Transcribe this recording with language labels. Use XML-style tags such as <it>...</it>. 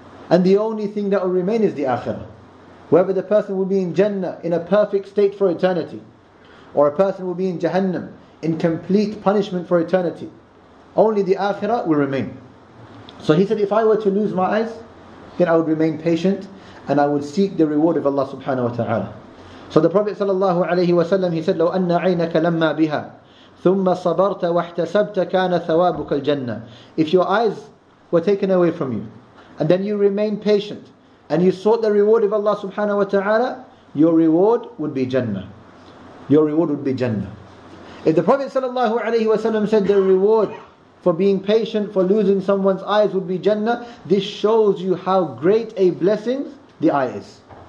<en>And the only thing that will remain is the Akhirah. Whether the person will be in Jannah, in a perfect state for eternity, or a person will be in Jahannam, in complete punishment for eternity, only the Akhirah will remain. So he said, if I were to lose my eyes, then I would remain patient, and I would seek the reward of Allah subhanahu wa ta'ala. So the Prophet sallallahu alayhi wa sallam, he said,</en> <ar>لَوْ أَنَّ عَيْنَكَ لَمَّا بِهَا ثُمَّ صَبَرْتَ وَاحْتَسَبْتَ كَانَ ثَوَابُكَ الْجَنَّةِ.</ar> <en>If your eyes were taken away from you, and then you remain patient, and you sought the reward of Allah subhanahu wa ta'ala, your reward would be Jannah. Your reward would be Jannah. If the Prophet sallallahu alayhi wa sallam said the reward for being patient, for losing someone's eyes would be Jannah, this shows you how great a blessing the eye is.</en>